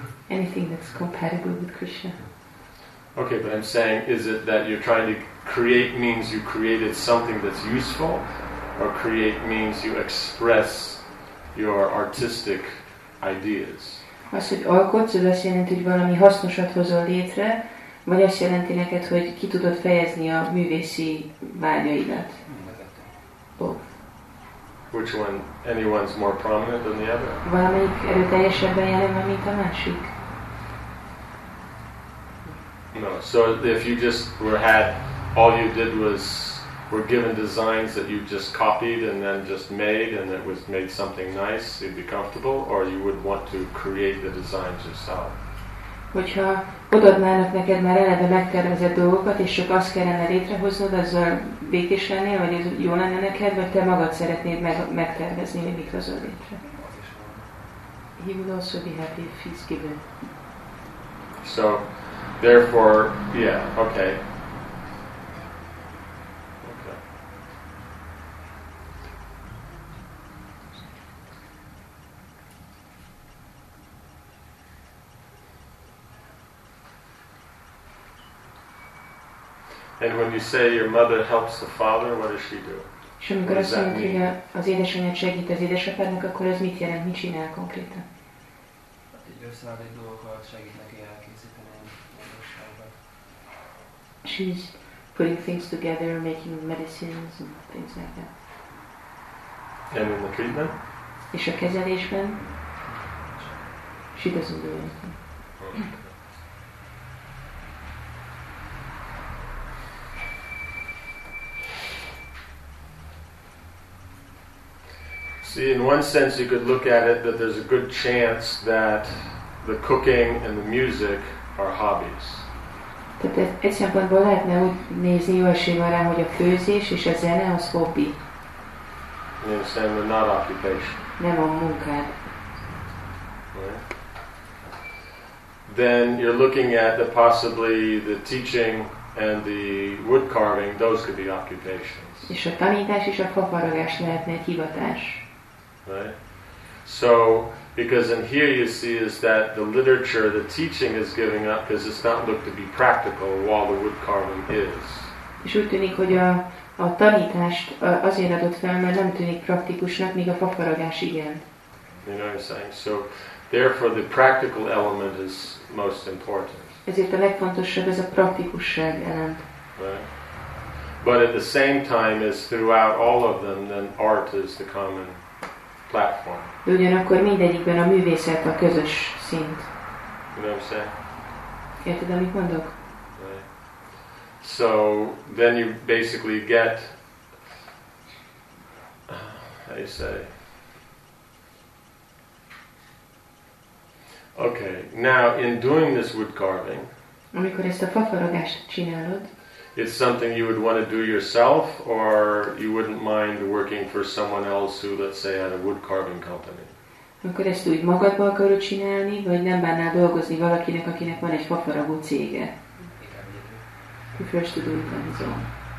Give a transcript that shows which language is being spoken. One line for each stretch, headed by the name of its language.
English: Anything that's compatible with Krishna. Okay, but I'm saying, is it that you're trying to create means you created something that's useful, or create means you express your artistic ideas?
Hungarian: Az, hogy alkotsz, az azt jelenti, hogy valami hasznosat hozol létre, vagy azt jelenti neked, hogy ki tudod fejezni a művészi vágyaidat?
English: Both. Which one, anyone's more prominent than the other?
Hungarian: Valamelyik erőteljesebben jelen van, mint a másik?
English: No, so if you just all you did was were given designs that you just copied and then just made and it was made something nice, you'd be comfortable, or you would want to create the designs yourself?
Hungarian: Hogyha odaadnának neked már eleve megtervezett dolgokat, és csak azt kellene létrehoznod, azzal békés lennél, vagy ez jó lenne neked, vagy te magad szeretnéd megtervezni, hogy mit hozol létre?
English: He would also be happy if he's given. So, therefore, yeah, okay. And when you say your mother helps the father, what does she do? She does that. Mean?
Hungarian: Az édesanyja segít az édesapádnak, akkor ez mit jelent? Mit csinál konkrétan? Egy összeállt egy dolgokat segít neki elkészíteni magasságot.
English: She's putting things together, making medicines and things like that. And in the treatment?
Hungarian: És a kezelésben?
English: She doesn't do anything. See, in one sense you could look at it that there's a good chance that the cooking and the music are hobbies.
Hungarian: Tehát egy szempontból lehetne úgy nézni, jó esély van rá, hogy a főzés és a zene az hobbi.
English: You understand, they're not occupation.
Hungarian: Nem a munkád.
English: Then you're looking at the possibly the teaching and the wood carving, those could be occupations.
Hungarian: És a tanítás és a faparagás lehetne egy hivatás.
English: Right. So, because in here you see is that the literature, the teaching is giving up because it's not looked to be practical while the wood carving is.
Hungarian: És úgy tűnik, hogy a tanítást azért adott fel, mert nem tűnik praktikusnak, míg a faparagás igen.
English: You know what I'm saying? So, therefore the practical element is most important.
Hungarian: Ezért a legfontosabb ez a praktikusság elem.
English: But at the same time as throughout all of them, then art is the common platform.
Hungarian: Ugyanakkor mindegyikben a művészet a közös szint.
English: You know what I'm saying?
Hungarian: Érted, amit mondok?
English: Right. So, then you basically get, how you say, okay, now in doing this wood carving,
Hungarian: amikor ezt a fafaragást csinálod,
English: it's something you would want to do yourself, or you wouldn't mind working for someone else who, let's say, had a wood carving company.
Hungarian: Akkor ezt úgy magadba akarod csinálni, vagy nem bánnál dolgozni valakinek, akinek van egy fafaragó cége?
English: You first to do it on his own.